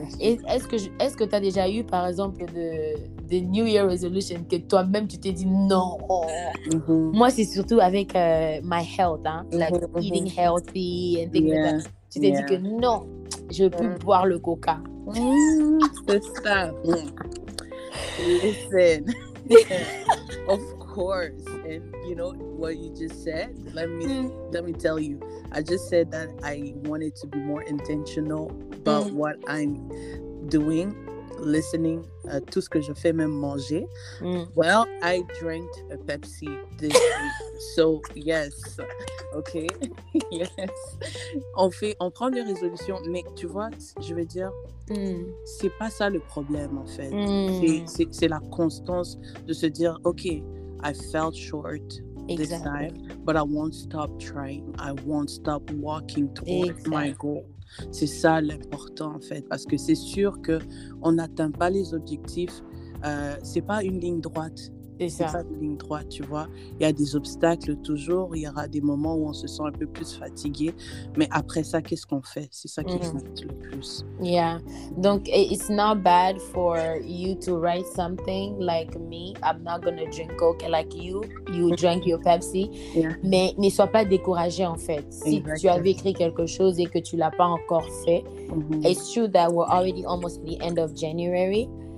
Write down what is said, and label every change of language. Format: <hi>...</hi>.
<fr>Est-ce que tu as déjà eu, par exemple, de New Year resolution que toi-même, tu t'es dit non? Moi, c'est surtout avec</fr> <en>my health, hein? Like eating healthy and things like that.</en> <fr>Tu t'es dit que non, je ne peux plus boire le coca. C'est ça.</fr> <en>Listen, of course, and you know what you just said, let me tell you, I just said that I wanted to be more intentional about what I'm doing, listening,</en> <fr>tout ce que je fais, même manger.</fr> <en>Well, I drank a Pepsi this week, so yes, okay,</en> <fr>yes, on prend des résolutions, mais tu vois, je veux dire, c'est pas ça le problème en fait, c'est la constance de se dire ok,</fr> <en>I felt short this time, but I won't stop trying, I won't stop walking towards my goal.</en> <fr>C'est ça l'important en fait, parce que c'est sûr que on n'atteint pas les objectifs, c'est pas une ligne droite. C'est pas une ligne droite, tu vois. Il y a des obstacles toujours. Il y aura des moments où on se sent un peu plus fatigué. Mais après ça, qu'est-ce qu'on fait? C'est ça qui compte le plus.</fr> <en>Yeah.</en> <fr>Donc,</fr> <en>it's not bad for you to write something like me. I'm not going to drink coke like you. You drank your Pepsi. Yeah.</en> <fr>Mais ne sois pas découragé, en fait. Si tu avais écrit quelque chose et que tu ne l'as pas encore fait,</fr> <en>it's true that we're already almost at the end of January.</en>